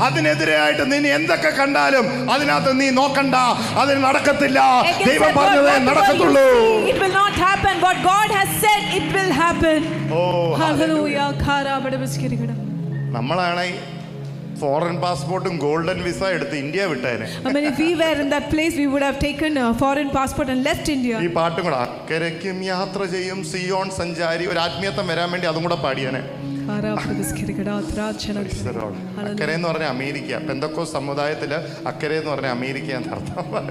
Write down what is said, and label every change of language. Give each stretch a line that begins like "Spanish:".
Malayalam: അതിനെതിരായിട്ട് നീ എന്തൊക്കെ കണ്ടാലും അതിനകത്ത് നീ നോക്കണ്ട. അത് നടക്കത്തില്ല. ദൈവം പറഞ്ഞതേ നടക്കത്തുള്ളൂ.
English: It will not happen. What God has said, it will happen. Oh, hallelujah. ഖാരാബട വിസ്കരിക്കട.
Malayalam: നമ്മളാണേ foreign പാസ്പോർട്ടും ഗോൾഡൻ വിസ എടുത്ത് India വിട്ടേനെ.
English: I mean if we were in that place we would have taken a foreign passport and left India.
Malayalam: ഈ പാട്ടും കൂട അക്കരയ്ക്കും യാത്ര ചെയ്യും Zion സഞ്ചാരി ഒരു ആത്മീയത വരാൻ വേണ്ടി അതും കൂട പാടിയേനെ. അക്കരെ എന്ന് പറഞ്ഞ അമേരിക്ക പെന്തക്കോസ് സമുദായത്തില് അക്കരെ എന്ന് പറഞ്ഞ അമേരിക്ക എന്ന് അർത്ഥം.